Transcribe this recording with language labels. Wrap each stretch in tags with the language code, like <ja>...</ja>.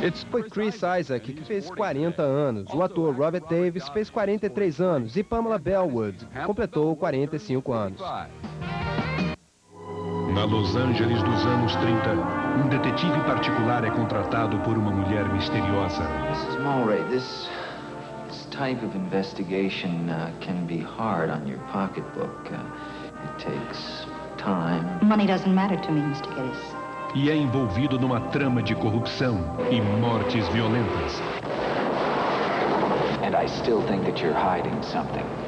<pt>Foi Chris Isaak, que fez 40 anos. O ator Robert Davis fez 43 anos. E Pamela Bellwood completou 45 anos. Na Los Angeles dos anos 30, um detetive particular é contratado por uma mulher misteriosa.</pt> <en>Mrs. Mulray, this type of investigation can be hard on your pocketbook. It takes time. Money doesn't matter to me, Mr. Gettys.</en> <pt>e é envolvido numa trama de corrupção e mortes violentas.</pt> <en>And I still think that you're hiding something.</en>